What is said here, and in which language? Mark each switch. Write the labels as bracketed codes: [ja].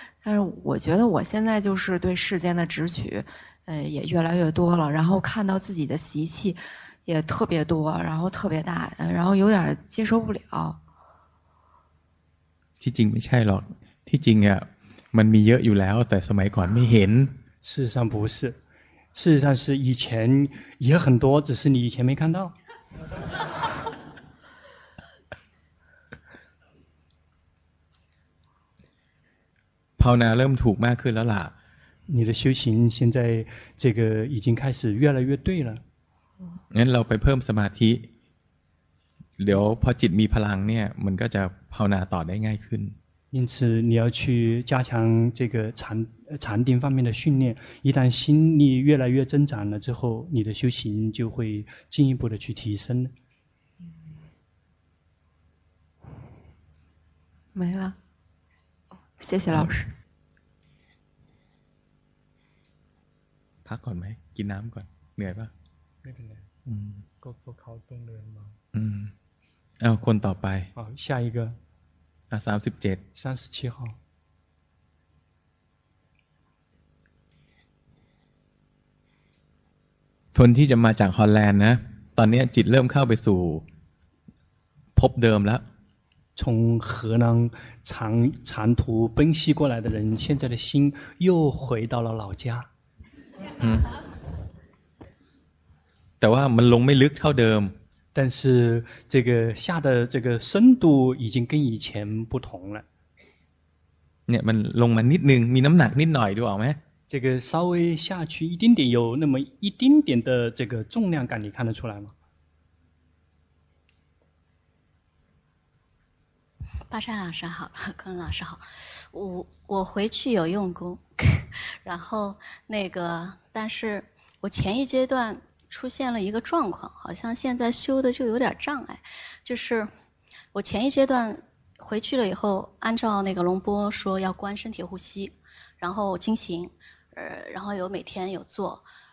[zh] 但是我觉得我现在就是对世间的执取，也越来越多了，然后看到自己的习气也特别多，然后特别大，然后有点接受不了。 [th] ที่จริงไม่ใช่หรอกที่จริงอ่ะมันมีเยอะอยู่แล้วแต่สมัยก่อนไม่เห็น [zh] 事实上不是事实上是以前也很多只是你以前没看到 [th] ภาวนาเริ่มถูกมากขึ้นแล้วล่ะ [zh] 你的修行现在这个已经开始越来越对了 [th] งั้นเราไปเพิ่มสมาธิเดี๋ยวพอจิตมีพลังเนี่ยมันก็จะภาวนาต่อได้ง่ายขึ้น [zh] 因此你要去加强这个禅定方面的训练一旦心力越来越增长了之后你的修行就会进一步的去提升没了谢谢老师 [th] พักก่อนไหมกินน้ำก่อนเหนื่อยป่ะ ไม่เป็นไร ก็ เขาต้องเดินมา เอาคนต่อไป [zh] อ๋อ下一个 37 号 [th] คนที่จะมาจากฮอลแลนด์นะตอนนี้จิตเริ่มเข้าไปสู่พบเดิมแล้ว [zh] 从河南长途奔袭过来的人现在的心又回到了老家 [th] แต่ว่ามันลงไม่ลึกเท่าเดิม [zh] แต่是这个下的这个深度已经跟以前不同了 [th] เนี่ยมันลงมานิดนึงมีน้ำหนักนิดหน่อยดูออกมั้ย [zh] 这个稍微下去一丁点有那么一丁点的这个重量感你看得出来吗巴山老师好柯恩老师好我回去有用功然后那个但是我前一阶段出现了一个状况好像现在修的就有点障碍就是我前一阶段回去了以后按照那个龙波说要观身体呼吸然后精行然后有每天有做